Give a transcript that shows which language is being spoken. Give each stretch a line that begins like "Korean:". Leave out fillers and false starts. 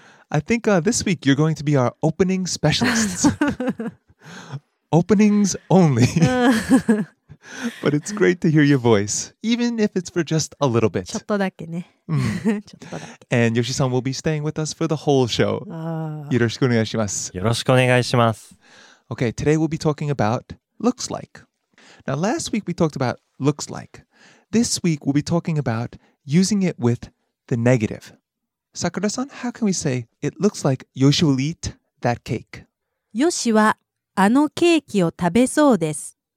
English: I think this week you're going to be our opening specialists. Openings only. But it's great to hear your voice, even if it's for just a little bit.
Japanese: ちょっとだけね。
English: And Yoshi-san will be staying with us for the whole show.
Japanese: よろしくお願いします。よろしくお願いします。
English: Okay, today we'll be talking about looks like. Now, last week we talked about looks like. This week we'll be talking about using it with the negative. Sakura-san, how can we say it looks like Yoshi will eat that cake?
Japanese: Yoshi はあのケーキを食べそうです。